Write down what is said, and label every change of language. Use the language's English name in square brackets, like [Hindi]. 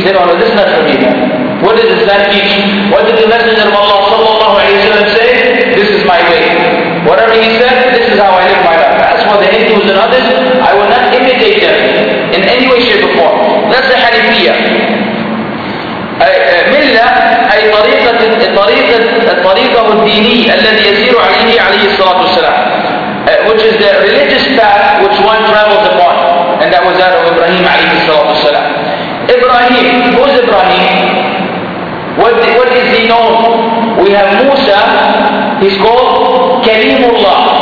[English] Say, no, no, this is not from you. What does Islam teach? What did the Messenger of Allah sallallahu alayhi wa sallam say? This is my way. Whatever he said, this is how I live my life. As for the Hindus and others, I will not imitate them in any way, shape, or form. That's the Hanifiyya. Millah, [Arabic] أي طريقة طريقه الديني الذي يسير عليه عليه الصلاة والسلام. [English] Which is the religious path which one travels upon, and that was that of Ibrahim [Arabic] عليه الصلاة والسلام. [English] Ibrahim, who's Ibrahim? What is he known? We have Musa. He's called Kalimullah.